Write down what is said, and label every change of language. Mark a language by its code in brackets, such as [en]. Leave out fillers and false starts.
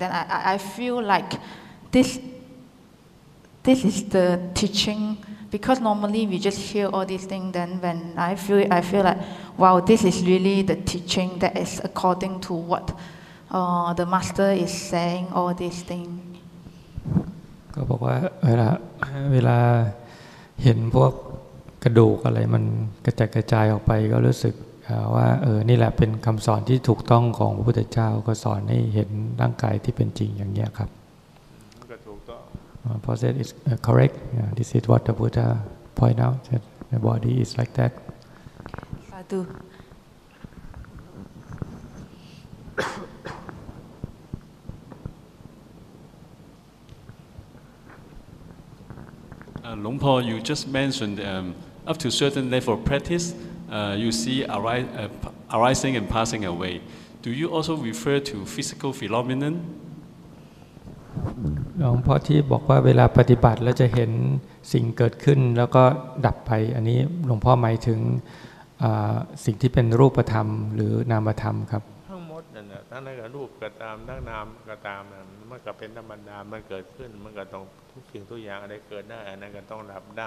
[en] Then I feel like this is the teaching, because normally we just hear all these things, then when I feel it, I feel like, wow, this is really the teaching that is according to what the master is saying, all these things. [th] ก็บอกว่าเวลาเห็นพวกกระดูกอะไรมันกระจัดกระจายออกไปก็รู้สึกว่าเออนี่แหละเป็นคำสอนที่ถูกต้องของพระพุทธเจ้าก็สอนให้เห็นร่างกายที่เป็นจริงอย่างเงี้ยครับ [en] Posit is correct. Yeah, this is what the Buddha point out, that the body is like that. Sadhu. Luang Por, you just mentioned up to certain level of practice, you see arising and passing away. Do you also refer to physical phenomenon? [th] หลวงพ่อที่บอกว่าเวลาปฏิบัติแล้วจะเห็นสิ่งเกิดขึ้นแล้วก็ดับไปอันนี้หลวงพ่อหมายถึงสิ่งที่เป็นรูปธรรมหรือนามธรรมครับ ทั้งหมดนั่นแหละทั้งนั้นก็รูปก็ตามทั้งนามก็ตามมันก็เป็นธรรมดามันเกิดขึ้นมันก็ต้องทุกสิ่งทุกอย่างอะไรเกิดได้อันนั้นก็ต้องดับได